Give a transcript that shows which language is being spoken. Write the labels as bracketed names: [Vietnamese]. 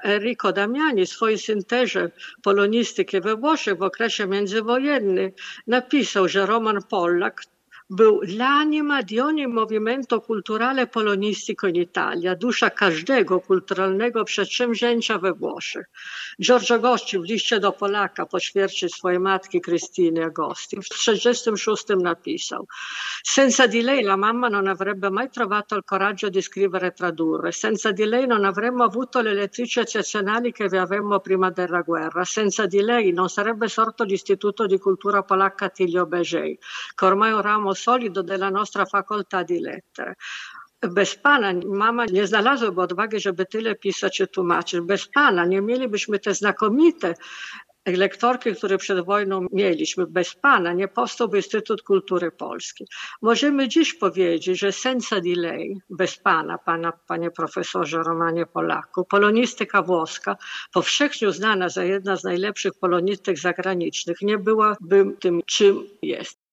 [Polish] Enrico Damiani w swojej syntezie polonistyki we Włoszech w okresie międzywojennym napisał, że Roman Pollak był [Italian] l'anima di ogni movimento culturale polonistico in Italia, [Polish] dusza każdego kulturalnego przedsięwzięcia we Włoszech. [Italian] Giorgio Agosti [Polish] w liście do Polaka po śmierci swojej matki Krystyny Agosti w 1936 napisał: [Italian] senza di lei la mamma non avrebbe mai trovato il coraggio di scrivere e tradurre, senza di lei non avremmo avuto le lettrici eccezionali che vi avevamo prima della guerra, senza di lei non sarebbe sorto l'Istituto di Cultura Polacca Tilio Beżej, che ormai è un ramo solido della nostra facoltà di lettere. [Polish] Bez pana, mama nie znalazłaby odwagi, żeby tyle pisać i tłumaczyć. Bez pana nie mielibyśmy te znakomite lektorki, które przed wojną mieliśmy. Bez pana nie powstałby Instytut Kultury Polskiej. Możemy dziś powiedzieć, że [Italian] senza di lei, [Polish] bez pana, panie profesorze Romanie Polaku, polonistyka włoska, powszechnie uznana za jedna z najlepszych polonistyk zagranicznych, nie byłaby tym, czym jest.